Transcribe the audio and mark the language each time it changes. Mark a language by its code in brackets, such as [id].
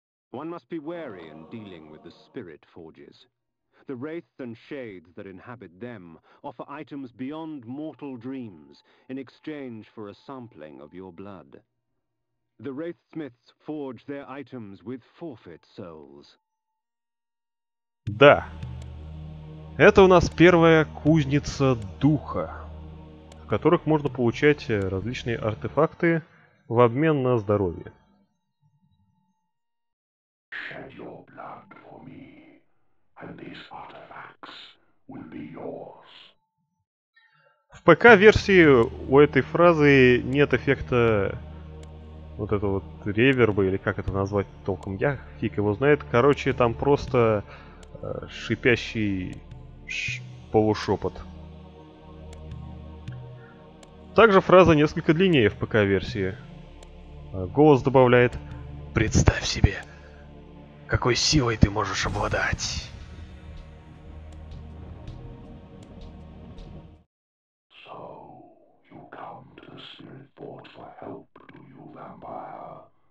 [en] One must be wary in dealing with the spirit forges. The wraith and shades that inhabit them offer items beyond mortal dreams in exchange for a sampling of your blood. The wraithsmiths forge their items with forfeit souls. [ru] Да. Это у нас первая кузница духа, в которых можно получать различные артефакты в обмен на здоровье. [en] Shed your blood for me, and these artifacts will be yours. [ru] В ПК-версии у этой фразы нет эффекта вот этого вот реверба, или как это назвать толком, я фиг его знает. Короче, там просто шипящий полушепот. Также фраза несколько длиннее в ПК-версии. Голос добавляет: представь себе, какой силой ты можешь обладать? [en] So, you come to the spirit board for help, do you, vampire?